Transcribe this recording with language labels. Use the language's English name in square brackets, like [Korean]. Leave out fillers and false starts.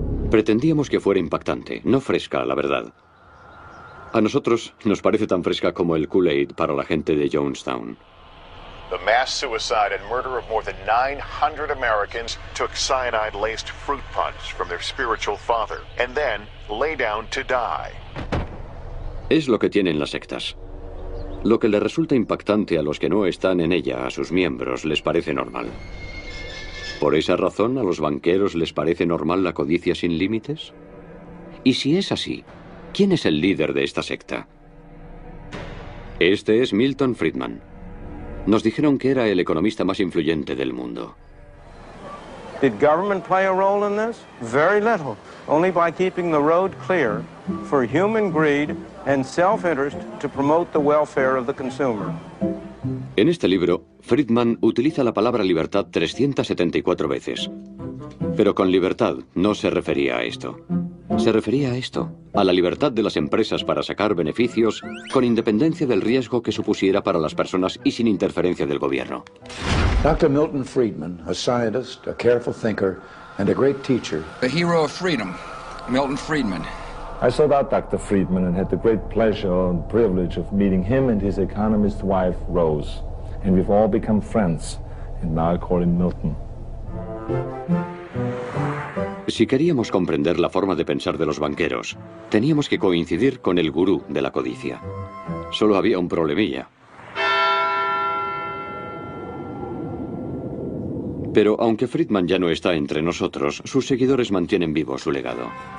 [Spanish] Pretendíamos que fuera impactante, no fresca, la verdad. A nosotros nos parece tan fresca como el Kool-Aid para la gente de Jonestown. [English] The mass suicide and murder of more than 900 Americans took cyanide-laced fruit punch from their spiritual father and then lay down to die. [Spanish] Es lo que tienen las sectas. Lo que le resulta impactante a los que no están en ella, a sus miembros, les parece normal. ¿Por esa razón a los banqueros les parece normal la codicia sin límites? Y si es así, ¿quién es el líder de esta secta? Este es Milton Friedman. Nos dijeron que era el economista más influyente del mundo. [English] Did government play a role in this? Very little. Only by keeping the road clear for human greed and self-interest to promote the welfare of the consumer. [Spanish] En este libro, Friedman utiliza la palabra libertad 374 veces. Pero con libertad no se refería a esto. Se refería a esto, a la libertad de las empresas para sacar beneficios con independencia del riesgo que supusiera para las personas y sin interferencia del gobierno. [English] Dr. Milton Friedman, a scientist, a careful thinker, and a great teacher. The hero of freedom, Milton Friedman. I sought out Dr. Friedman and had the great pleasure and privilege of meeting him and his economist wife, Rose. And we've all become friends, and now I call him Milton. [Spanish] Si queríamos comprender la forma de pensar de los banqueros, teníamos que coincidir con el gurú de la codicia. Solo había un problemilla. Pero aunque Friedman ya no está entre nosotros, sus seguidores mantienen vivo su legado.